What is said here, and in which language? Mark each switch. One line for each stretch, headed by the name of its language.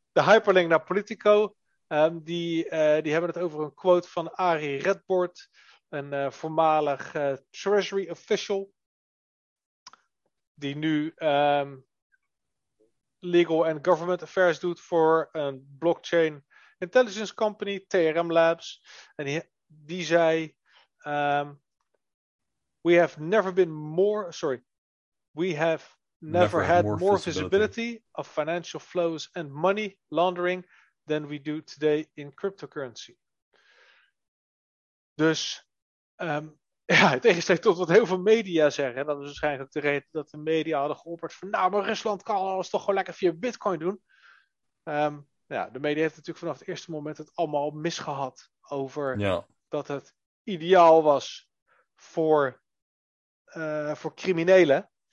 Dutch: De hyperlink naar Politico. Die hebben het over een quote van Ari Redbord, een voormalig Treasury official, die nu
English: legal and government affairs
Dutch: doet voor een
English: blockchain intelligence company,
Dutch: TRM Labs. En die zei:
English: We have never been more, sorry, we have never had more visibility of financial flows and money laundering than we do today in cryptocurrency.
Dutch: Dus, in tegenstelling tot wat heel veel media zeggen, en dat is waarschijnlijk ook de reden dat de media hadden geopperd van, nou, maar Rusland kan alles toch gewoon lekker via Bitcoin doen. De media heeft natuurlijk vanaf het eerste moment het allemaal misgehad over dat het ideaal was voor criminelen.